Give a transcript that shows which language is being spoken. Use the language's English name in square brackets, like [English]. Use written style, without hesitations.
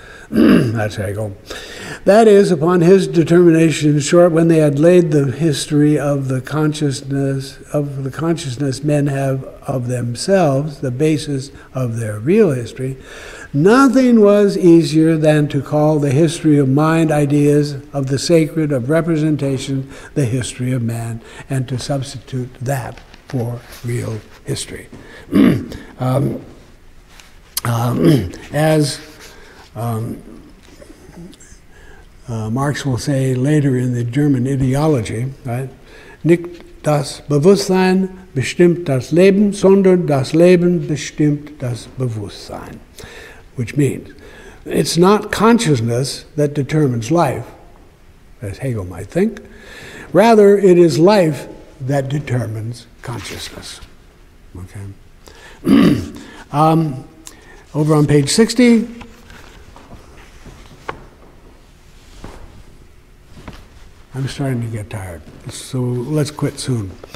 [English] that's Hegel, that is, upon his determination, in short, when they had laid the history of the consciousness men have of themselves, the basis of their real history, nothing was easier than to call the history of mind, ideas, of the sacred, of representation, the history of man, and to substitute that for real history. Marx will say later in the German ideology, right? [German] Nicht das Bewusstsein bestimmt das Leben, sondern das Leben bestimmt das Bewusstsein. [English] Which means, it's not consciousness that determines life, as Hegel might think. Rather, it is life that determines consciousness. Okay. Over on page 60, I'm starting to get tired, so let's quit soon.